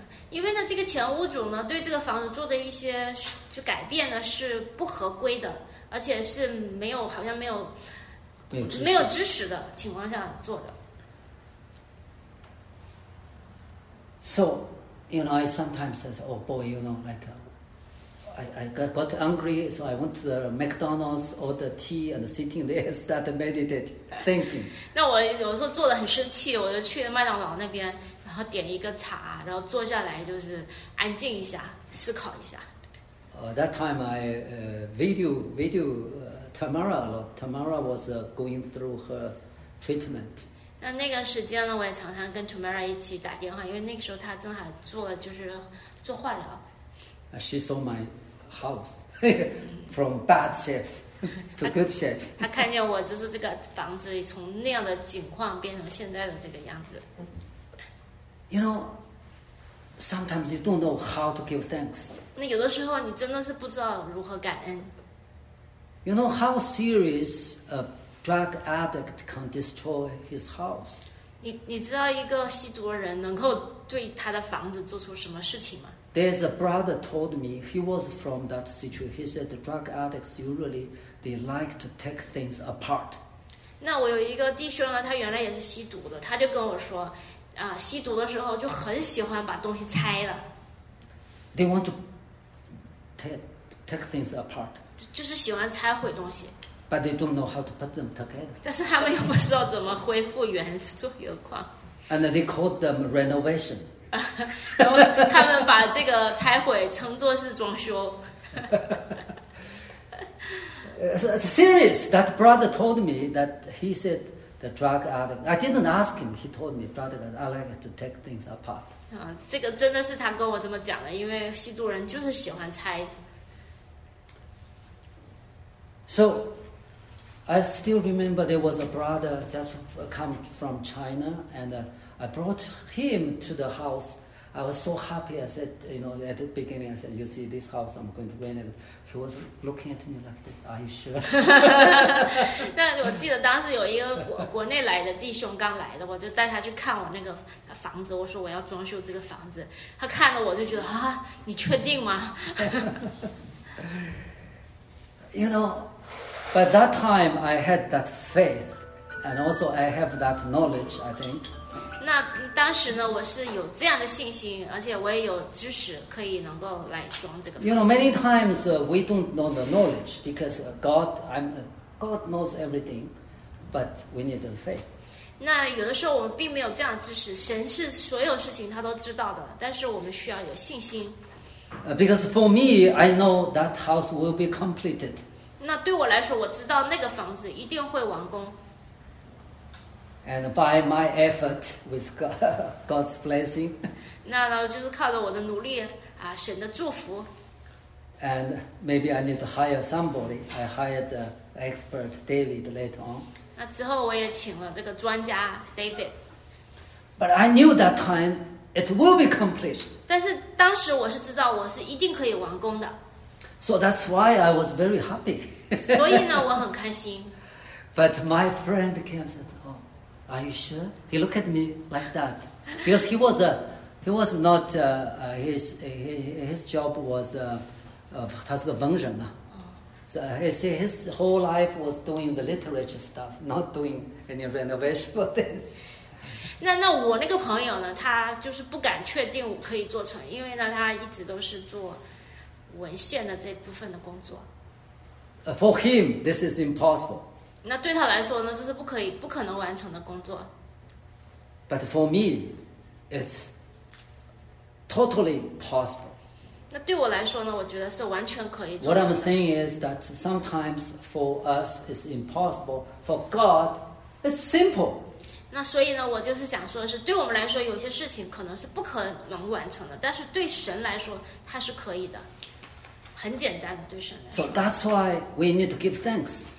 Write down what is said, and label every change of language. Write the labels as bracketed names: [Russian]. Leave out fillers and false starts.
[Chinese] 因为呢，这个前屋主呢对这个房子做的一些就改变呢是不合规的。而且是没有，好像没有知识的情况下做的。 [English] So, you know, I sometimes say, "Oh boy, you know, like, I got angry, so I went to the McDonald's, ordered tea, and sitting there, started meditate, thinking." [Chinese] 那我有时候做的很生气，我就去了麦当劳那边，然后点一个茶，然后坐下来就是安静一下，思考一下。 [English] That time I video Tamara a lot. Tamara was going through her treatment. [Chinese] 那个时间呢，我也常常跟 Tamara 一起打电话，因为那个时候她正好做化疗。 [English] She saw my house from bad shape to good shape. [Chinese] 她看见我就是这个房子从那样的景况变成现在的这个样子。 [English] You know, sometimes you don't know how to give thanks. [Chinese] 那有的时候你真的是不知道如何感恩。 [English] You know how serious a drug addict can destroy his house? [Chinese] 你知道一个吸毒的人能够对他的房子做出什么事情吗？ [English] There's a brother told me he was from that situation. He said the drug addicts usually they like to take things apart. [Chinese] 那我有一个弟兄呢，他原来也是吸毒的，他就跟我说，吸毒的时候就很喜欢把东西拆了。 [English] They want to. Take things apart. [Chinese] 就是喜欢拆毁东西。 [English] But they don't know how to put them together. [Chinese] 但是他们又不知道怎么恢复原作原况。 [English] And they call them renovation. [Chinese] 然后他们把这个拆毁称作是装修。 [English] It's serious. That brother told me that he said the drug addict. I didn't ask him. He told me, brother, that I like to take things apart. [Chinese] 这个真的是他跟我这么讲的，因为吸毒人就是喜欢猜。 [English] So, I still remember there was a brother just come from China, and I brought him to the house. I was so happy. I said, you know, at the beginning, I said, you see this house, I'm going to renovate. He was looking at me like, this, are you sure? [Chinese] 那我记得当时有一个国内来的弟兄刚来的，我就带他去看我那个。房子，我说我要装修这个房子，他看了我就觉得啊，你确定吗 [English] ？You know, by that time I had that faith, and also I have that knowledge. I think. [Chinese] 那当时呢，我是有这样的信心，而且我也有知识可以能够来装这个房子。 [English] You know, many times we don't know the knowledge because God knows everything, but we need the faith. [Chinese] 那有的时候我们并没有这样的知识，神是所有事情他都知道的，但是我们需要有信心。 [English] Because for me, I know that house will be completed. [Chinese] 那对我来说，我知道那个房子一定会完工。 [English] And by my effort with God's blessing. [Chinese] 那然后就是靠着我的努力啊，神的祝福。 [English] And maybe I need to hire somebody. I hired the expert David later on. [Chinese] 那之后我也请了这个专家 David. [English] But I knew that time it will be accomplished. [Chinese] 但是当时我是知道我是一定可以完工的。 [English] So that's why I was very happy. [Chinese] 所以呢我很开心。 [English] But my friend came and said, oh, are you sure? He looked at me like that. Because he was, his job was, [Chinese] 他是个文人啊。 [English] So his whole life was doing the literature stuff, not doing any renovation for this. [Chinese] 那我那个朋友呢，他就是不敢确定我可以做成，因为呢，他一直都是做文献的这部分的工作。 [English] For him, this is impossible. [Chinese] 那对他来说呢，这是不可能完成的工作。 [English] But for me, it's totally possible. [Chinese] 那对我来说呢，我觉得是完全可以做的。 [English] What I'm saying is that sometimes for us it's impossible, for God it's simple. [Chinese] 那所以呢，我就是想说的是，对我们来说有些事情可能是不可能完成的，但是对神来说他是可以的，很简单的，对神来说。 [English] So that's why we need to give thanks.